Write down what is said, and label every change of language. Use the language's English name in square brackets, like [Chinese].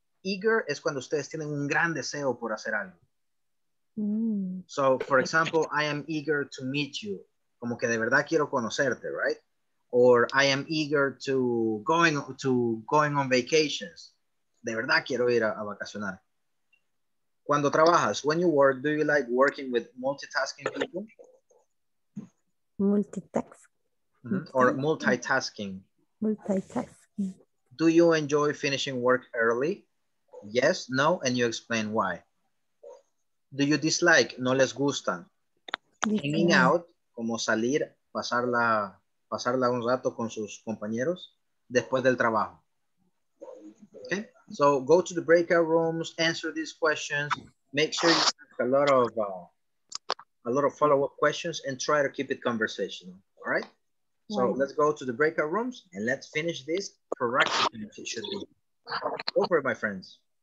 [Spanish] Eager es cuando ustedes tienen un gran deseo por hacer algo. Mm. [English] So for example, I am eager to meet you. [Spanish] Como que de verdad quiero conocerte, [English] right? Or I am eager to going on vacations. [Spanish] De verdad quiero ir a vacacionar. Cuando trabajas, [English] when you work, do you like working with multitasking people? Multitasking. Do you enjoy finishing work early? Yes, no, and you explain why. Do you dislike, [Spanish] no les gusta? [English] Hanging out, [Spanish] como salir, pasarla un rato con sus compañeros después del trabajo. [English] Okay, so go to the breakout rooms, answer these questions, make sure you ask a lot of follow-up questions and try to keep it conversational, all right? So let's go to the breakout rooms and let's finish this correctly, if it should be. Go for it, my friends.